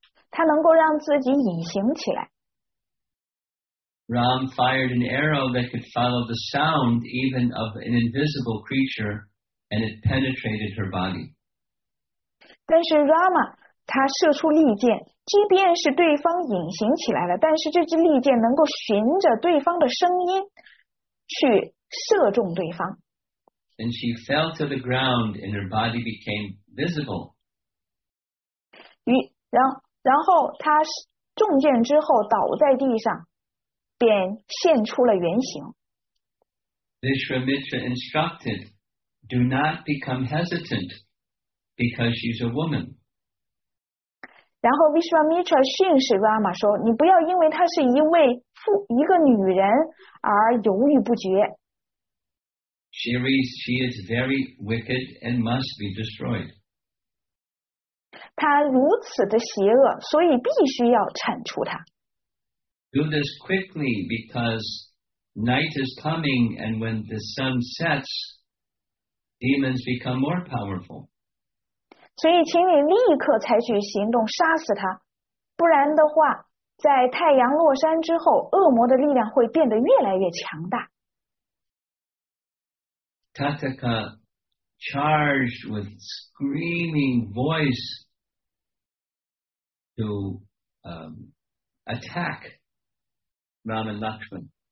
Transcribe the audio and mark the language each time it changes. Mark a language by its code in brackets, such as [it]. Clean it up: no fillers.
[zh] 她能够让自己隐形起来。 [en] Ram fired an arrow that could follow the sound even of an invisible creature, and it penetrated her body. [zh] 但是 Rama他射出利箭，即便是对方隐形起来了，但是这支利箭能够循着对方的声音去射中对方。 [en] And she fell to the ground and her body became visible. [zh] 然后他中箭之后倒在地上，便现出了原形。 [en] Vishwamitra instructed, do not become hesitant Because she's a woman. [zh] 然后 Vishwa Mitra 训斥 Rama 说，你不要因为她是一位妇，一个女人而犹豫不决。 [en] She is very wicked and must be destroyed. [zh] 她如此的邪恶，所以必须要铲除她。 [en] Do this quickly because night is coming and when the sun sets, demons become more powerful. [zh] 所以请你立刻采取行动杀死她，不然的话，在太阳落山之后，恶魔的力量会变得越来越强大。 [en] Tataka charged with screaming voice to attack Ram and Lakshman.